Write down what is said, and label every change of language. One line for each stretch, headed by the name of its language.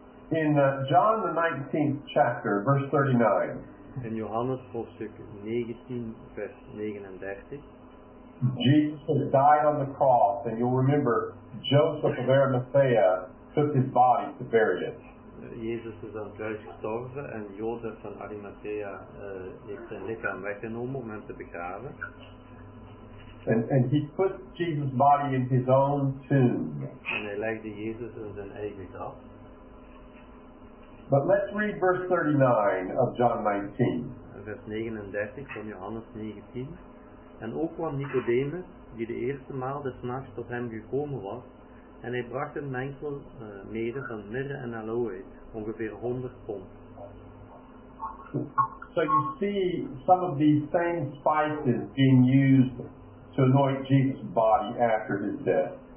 English: In John the 19th chapter, verse 39.
Dutch: In Johannes hoofdstuk 19, vers 39.
English: Jesus has died on the cross, and you'll remember Joseph of Arimathea took his body to bury it.
Dutch: Jezus is aan het kruis gestorven en Jozef van Arimathea heeft zijn lichaam weggenomen om hem te begraven.
English: And he put Jesus' body in his own tomb.
Dutch: En hij legde Jezus in zijn eigen graf.
English: But let's read verse 39 of John 19.
Dutch: Vers 39 van Johannes 19. En ook kwam Nicodemus, die de eerste maal des nachts tot hem gekomen was, en hij bracht een mengsel mede van myrrh en aloe, ongeveer 100 pond.
English: So you see some of these same spices being used to anoint Jesus' body after his death.